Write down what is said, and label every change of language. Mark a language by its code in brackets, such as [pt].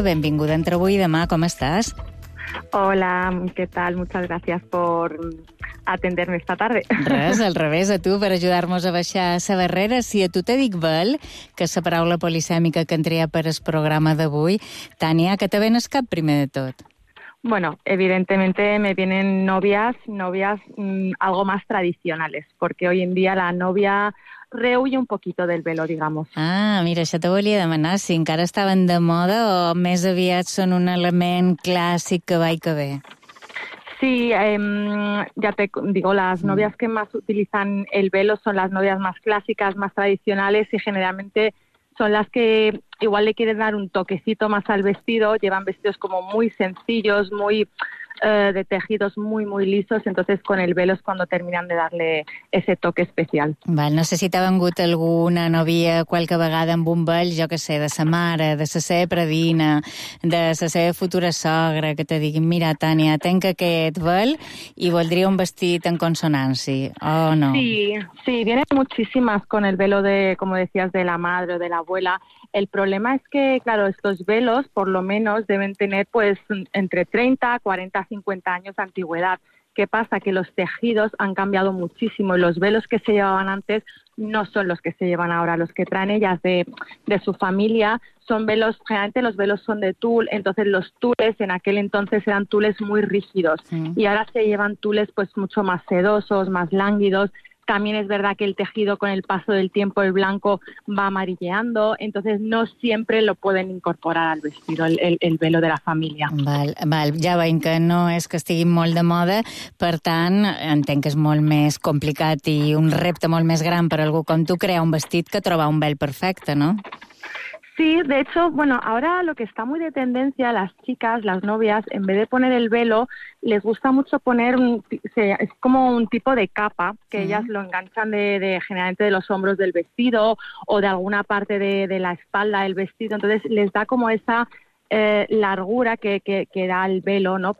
[ca] Benvinguda entre avui i demà, com estàs? Hola, què tal? [es] Muchas gracias por atenderme esta tarde. [ca] Res, al revés, a tu, per ajudar-nos a baixar la barrera. Si a tu te dic vel, que és la paraula polisèmica que entria per el programa d'avui, Tània, que te venes cap primer de tot? [es] Bueno, evidentemente me vienen novias algo más tradicionales, porque hoy en día la novia rehuye un poquito del velo, digamos. [ca] Ah, mira, això te volia demanar, si encara estaven de moda o més aviat són un element clàssic que va i que ve. [es] Sí, ya te digo, las novias que más utilizan el velo son las novias más clásicas, más tradicionales, y generalmente son las que igual le quieren dar un toquecito más al vestido, llevan vestidos como muy sencillos, muy de tejidos muy, muy lisos, entonces con el velo es cuando terminan de darle ese toque especial. [ca] Val, no sé si t'ha vengut alguna novia qualque vegada amb un vell, jo que sé, de sa mare, de sa seva predina, de sa seva futura sogra, que te diguin, mira, Tània, tenc aquest vell i voldria un vestit en consonància, oh, no? [es] Sí, sí, vienen muchísimas con el velo de, como decías, de la madre o de la abuela. El problema es que, claro, estos velos por lo menos deben tener pues entre 30, 40, 50 años de antigüedad. ¿Qué pasa? Que los tejidos han cambiado muchísimo y los velos que se llevaban antes no son los que se llevan ahora. Los que traen ellas de su familia son velos, generalmente los velos son de tul, entonces los tules en aquel entonces eran tules muy rígidos, sí. Y ahora se llevan tules pues mucho más sedosos, más lánguidos. También es verdad que el tejido con el paso del tiempo, el blanco, va amarilleando, entonces no siempre lo pueden incorporar al vestido, el velo de la familia. [ca] Val, val, ja veiem que no és que estigui molt de moda, per tant, entenc que és molt més complicat i un repte molt més gran per algú com tu crear un vestit que trobar un vel perfecte, no? [es] Sí, de hecho, bueno, ahora lo que está muy de tendencia, las chicas, las novias, en vez de poner el velo, les gusta mucho poner, es como un tipo de capa, que ellas lo enganchan de generalmente de los hombros del vestido o de alguna parte de la espalda del vestido, entonces les da como esa largura que da el velo, ¿no?